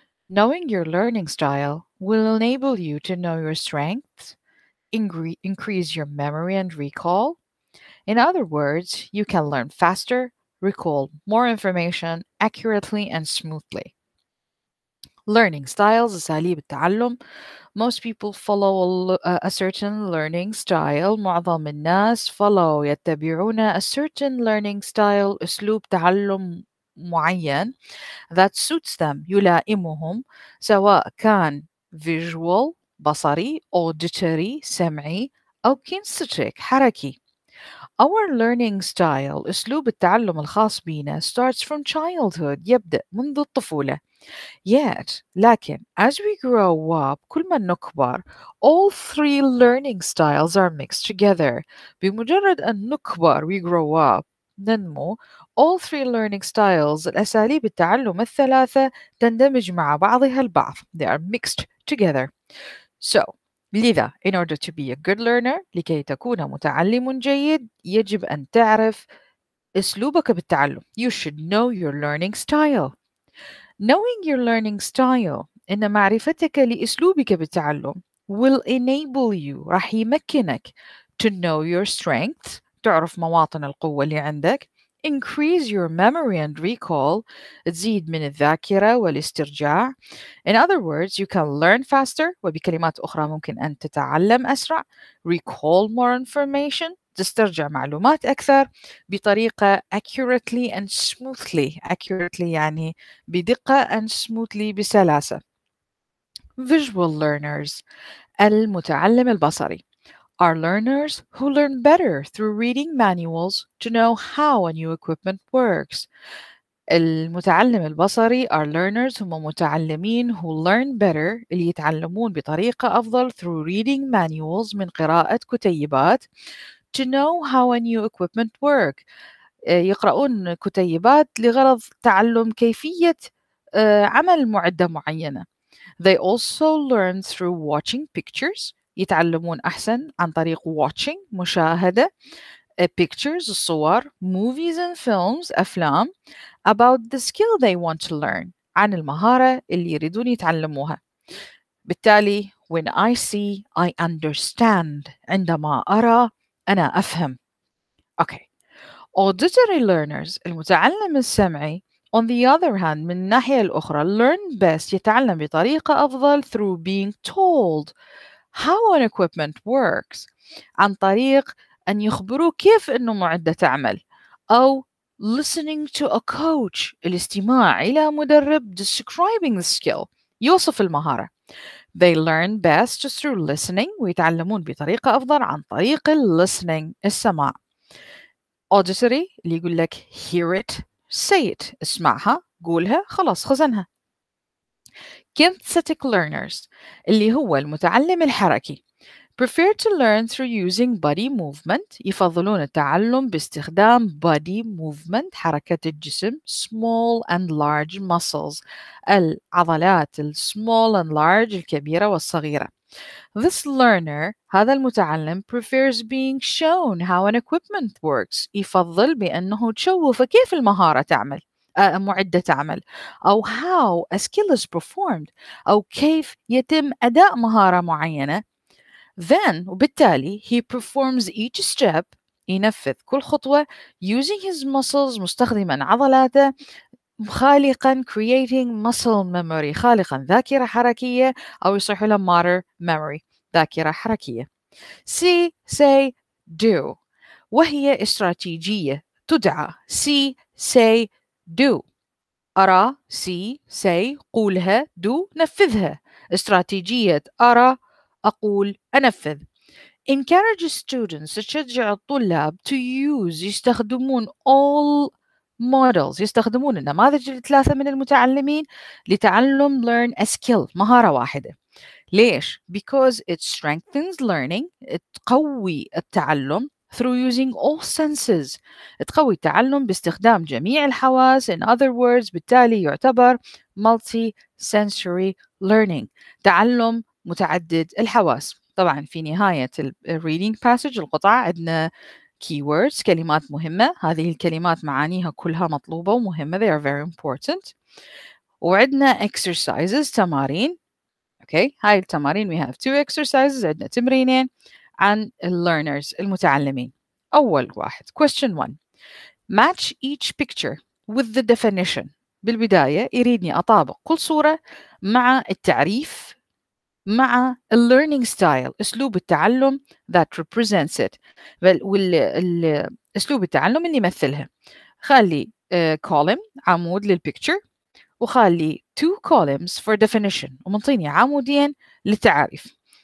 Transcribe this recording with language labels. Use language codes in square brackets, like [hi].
[en] Knowing your learning style will enable you to know your strengths, increase your memory and recall. In other words, you can learn faster, recall more information accurately and smoothly. Learning styles, [ar] أساليب التعلم. [en] Most people follow a certain learning style. [ar] معظم الناس follow يتبعون [en] a certain learning style, [ar] أسلوب تعلم معين [en] that suits them, [ar] يلائمهم, سواء كان visual, بصري, auditory, سمعي, أو kinesthetic, حركي. [en] Our learning style, [ar] أسلوب التعلم الخاص بنا, [en] starts from childhood, [ar] يبدأ منذ الطفولة. [en] Yet, لكن, as we grow up, [ar] كل ما نكبر, [en] all three learning styles are mixed together. [ar] بمجرد أن نكبر, [en] we grow up, [ar] ننمو, [en] all three learning styles, [ar] الأساليب التعلم الثلاثة, تندمج مع بعضها البعض. [en] They are mixed together. [ar] So, لذا, [en] in order to be a good learner, [ar] لكي تكون متعلم جيد, يجب أن تعرف أسلوبك بالتعلم. [en] You should know your learning style. Knowing your learning style, [ar] إن معرفتك لأسلوبك بالتعلم, [en] will enable you, [ar] رح يمكنك, [en] to know your strengths, [ar] تعرف مواطن القوة اللي عندك, [en] increase your memory and recall, [ar] تزيد من الذاكرة والاسترجاع. [en] In other words, you can learn faster, [ar] وبكلمات أخرى ممكن أن تتعلم أسرع, [en] recall more information, [ar] تسترجع معلومات أكثر بطريقة [en] accurately and smoothly. [ar] Accurately يعني بدقة and smoothly بسلاسة. [en] Visual learners, [ar] المتعلم البصري. [en] Are learners who learn better through reading manuals to know how a new equipment works. [ar] المتعلم البصري [en] are learners [ar] هم متعلمين [en] who learn better [ar] اللي يتعلمون بطريقة أفضل [en] through reading manuals [ar] من قراءة كتيبات [en] to know how a new equipment works. [ar] يقرؤون كتيبات لغرض تعلم كيفية عمل معدة معينة. [en] They also learn through watching pictures. [ar] يتعلمون أحسن عن طريق [en] watching مشاهدة pictures الصور movies and films أفلام about the skill they want to learn [ar] عن المهارة اللي يريدون يتعلموها. [en] بالتالي when I see I understand [ar] عندما أرى أنا أفهم. [en] Okay. Auditory learners [ar] المتعلم السمعي [en] on the other hand [ar] من الناحية الأخرى [en] learn best [ar] يتعلم بطريقة أفضل [en] through being told how an equipment works [ar] عن طريق أن يخبروا كيف إنه معدة تعمل أو [en] listening to a coach [ar] الاستماع إلى مدرب [en] describing the skill [ar] يوصف المهارة. [en] They learn best through listening [ar] ويتعلمون بطريقة أفضل عن طريق [en] listening السماع. [ar] Auditory اللي يقول لك [en] hear it say it [ar] اسمعها قولها خلاص خزنها. [en] Kinesthetic learners, [ar] اللي هو المتعلم الحركي, [en] prefer to learn through using body movement. [ar] يفضلون التعلم باستخدام [en] body movement, [ar] حركة الجسم, [en] small and large muscles, العضلات, small and large, [ar] الكبيرة والصغيرة. [en] This learner, [ar] هذا المتعلم, [en] prefers being shown how an equipment works. [ar] يفضل بأنه تشوف كيف المهارة تعمل. معدة تعمل أو [en] how a skill is performed [ar] أو كيف يتم أداء مهارة معينة. [en] Then وبالتالي he performs each step [ar] ينفذ كل خطوة [en] using his muscles [ar] مستخدما عضلاته خالقا [en] creating muscle memory [ar] خالقا ذاكرة حركية أو يصح له [en] motor memory [ar] ذاكرة حركية. [en] See, say, do. [ar] وهي استراتيجية تدعى [en] see, say, do. [ar] أرى see, say, قولها do, نفذها. استراتيجية أرى أقول أنفذ. [en] Encourage students, [ar] تشجع الطلاب [en] to use, [ar] يستخدمون [en] all models, [ar] يستخدمون النماذج الثلاثة من المتعلمين لتعلم [en] learn a skill, [ar] مهارة واحدة. ليش؟ [en] Because it strengthens learning, [ar] تقوي التعلم [en] through using all senses, [ar] تقوي التعلم باستخدام جميع الحواس. [en] In other words, [ar] بالتالي يعتبر [en] multi-sensory learning, [ar] تعلم متعدد الحواس. طبعا في نهاية الـ [en] reading passage [ar] القطعة عندنا keywords, كلمات مهمة. هذه الكلمات معانيها كلها مطلوبة ومهمة, [en] they are very important. [ar] وعندنا exercises, تمارين. Okay, هاي التمارين, [en] we have two exercises, [ar] عندنا تمرينين عن learners, المتعلمين. أول واحد, [en] question one, match each picture with the definition. [ar] بالبداية يريدني أطابق كل صورة مع التعريف, مع [en] a learning style, [ar] أسلوب التعلم [en] that represents it, [ar] والأسلوب التعلم اللي يمثلها. خلي column, عمود للpicture, وخلي [en] two columns for definition, [ar] ومنطيني عمودين للتعريف.